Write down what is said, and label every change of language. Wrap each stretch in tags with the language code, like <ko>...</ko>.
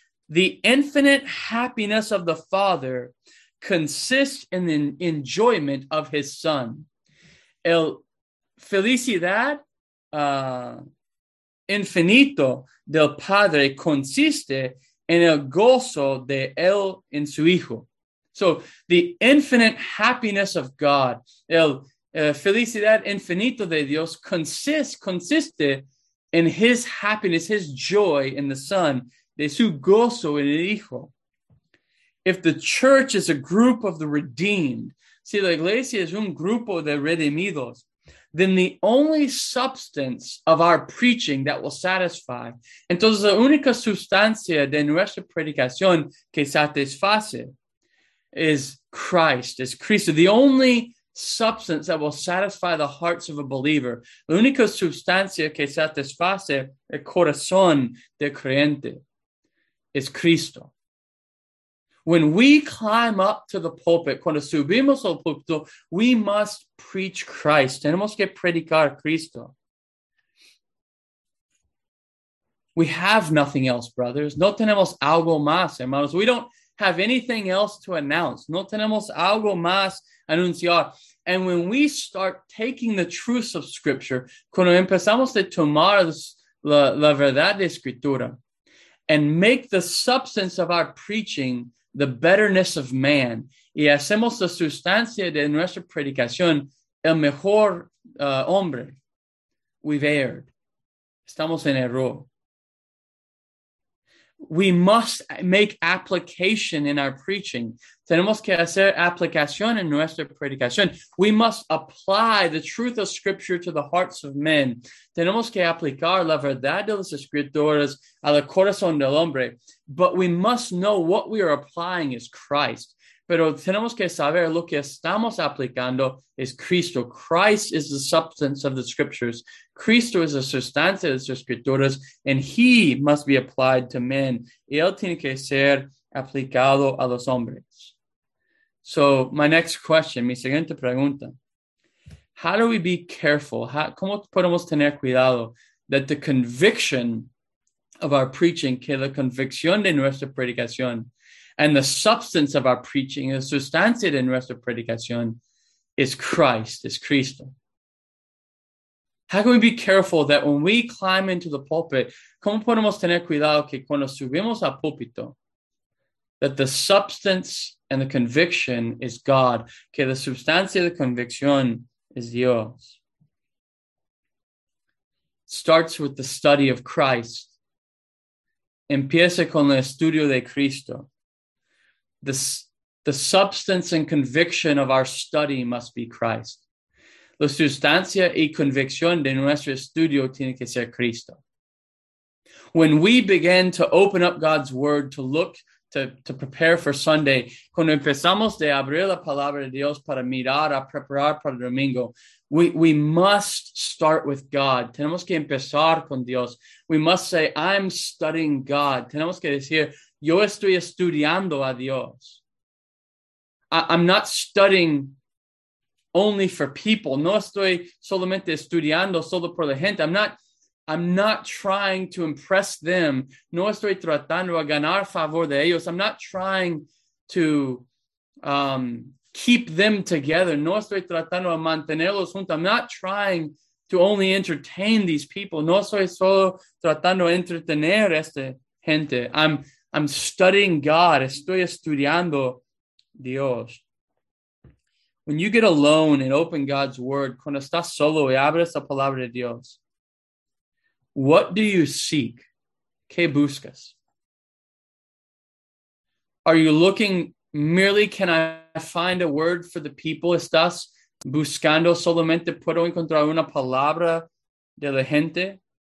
<en>The infinite happiness of the Father consists in the enjoyment of his Son.</en> <es>El felicidad infinito del Padre consiste en el gozo de él en su Hijo.</es> <en>So the infinite happiness of God,</en> <es>el felicidad infinito de Dios consiste</es> <en>in his happiness, his joy in the Son,</en> <es>de su gozo en el Hijo.</es> <en>If the church is a group of the redeemed,</en> <es>si la iglesia es un grupo de redimidos,</es> <en>then the only substance of our preaching that will satisfy,</en> <es>entonces la única sustancia de nuestra predicación que satisface,</es> <en>is Christ, is Cristo. The only substance that will satisfy the hearts of a believer.</en> <es>La única sustancia que satisface el corazón de creyente es Cristo.</es> <en>When we climb up to the pulpit,</en> <es>cuando subimos al púlpito,</es> <en>we must preach Christ.</en> <es>Tenemos que predicar Cristo.</es> <en>We have nothing else, brothers.</en> <es>No tenemos algo más, hermanos.</es> <en>We don't have anything else to announce.</en> <es>No tenemos algo más anunciar.</es> <en>And when we start taking the truths of Scripture,</en> <es>cuando empezamos a tomar la verdad de Escritura,</es> <en>and make the substance of our preaching the betterness of man,</en> <es>y hacemos la sustancia de nuestra predicación el mejor hombre,</es> <en>we've erred.</en> <es>Estamos en error.</es> <en>We must make application in our preaching.</en> <es>Tenemos que hacer aplicación en nuestra predicación.</es> <en>We must apply the truth of Scripture to the hearts of men.</en> <es>Tenemos que aplicar la verdad de las Escrituras al corazón del hombre.</es> <en>But we must know what we are applying is Christ.</en> <es>Pero tenemos que saber lo que estamos aplicando es Cristo.</es> <en>Christ is the substance of the Scriptures.</en> <es>Cristo es la sustancia de las Escrituras,</es> <en>and he must be applied to men.</en> <es>Y él tiene que ser aplicado a los hombres.</es> <en>So my next question,</en> <es>mi siguiente pregunta.</es> <en>How do we be careful?</en> <es>¿Cómo podemos tener cuidado</es> <en>that the conviction of our preaching,</en> <es>que la convicción de nuestra predicación,</es> <en>and the substance of our preaching, the sustancia de nuestra predicación, is Christ, is Cristo? How can we be careful that when we climb into the pulpit,</en> <es>¿cómo podemos tener cuidado que cuando subimos al púlpito,</es> <en>that the substance and the conviction is God.</en> <es>Que la sustancia de convicción es Dios.</es> <en>Starts with the study of Christ.</en> <es>Empieza con el estudio de Cristo.</es> <en>The substance and conviction of our study must be Christ.</en> <es>La sustancia y convicción de nuestro estudio tiene que ser Cristo.</es> <en>When we begin to open up God's word, to look, to prepare for Sunday,</en> <es>cuando empezamos de abrir la palabra de Dios para mirar, a preparar para el domingo,</es> <en>we must start with God.</en> <es>Tenemos que empezar con Dios.</es> <en>We must say, I'm studying God.</en> <es>Tenemos que decir, yo estoy estudiando a Dios.</es> <en>I'm not studying only for people.</en> <es>No estoy solamente estudiando solo por la gente.</es> <en>I'm not trying to impress them.</en> <es>No estoy tratando a ganar favor de ellos.</es> <en>I'm not trying to keep them together.</en> <es>No estoy tratando a mantenerlos juntos.</es> <en>I'm not trying to only entertain these people.</en> <es>No estoy solo tratando a entretener esta gente.</es> <en>I'm studying God.</en> <es>Estoy estudiando Dios.</es> <en>When you get alone and open God's word,</en> <es>cuando estás solo y abres la palabra de Dios,</es> <en>what do you seek?</en> <es>¿Qué buscas?</es> <en>Are you looking merely, can I find a word for the people?</en> <es>¿Estás buscando solamente, puedo encontrar una palabra de la gente?</es>